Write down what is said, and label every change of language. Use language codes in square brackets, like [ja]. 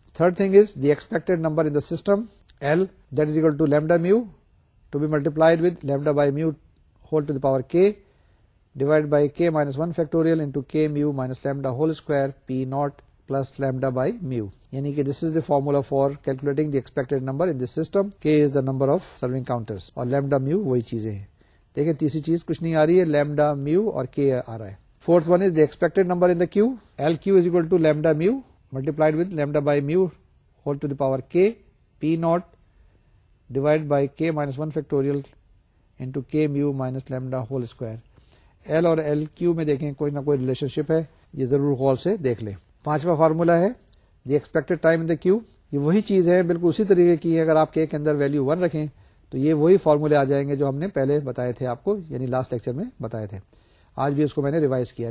[en] Third thing is the expected number in the system l, that is equal to lambda mu to be multiplied with lambda by mu whole to the power k divide by k minus 1 factorial into k mu minus lambda whole square P not plus lambda by mu. یعنی کہ this is the formula for calculating the expected number in the system, k is the number of serving counters [ur] اور lambda mu وہی چیزیں ہیں. دیکھیں تیسری چیز کچھ نہیں آ رہی ہے, لیمڈا میو اور k آ رہا ہے. [en] Fourth one is the expected number in the queue. LQ is equal to lambda mu multiplied with lambda by mu whole to the power k p naught divided by k minus 1 factorial into k mu minus lambda whole square. [ur] L اور L Q میں دیکھیں کوئی نہ کوئی relation شپ ہے, یہ ضرور غور سے دیکھ لیں. پانچواں فارمولا ہے [en] the expected time in the queue, [ur] یہ وہی چیز ہے بالکل اسی طریقے کی. اگر آپ کے اندر ویلو 1 رکھیں تو یہ وہی فارمولے آ جائیں گے جو ہم نے پہلے بتائے تھے آپ کو, یعنی لاسٹ لیکچر میں بتائے تھے, آج بھی اس کو میں نے ریوائز کیا.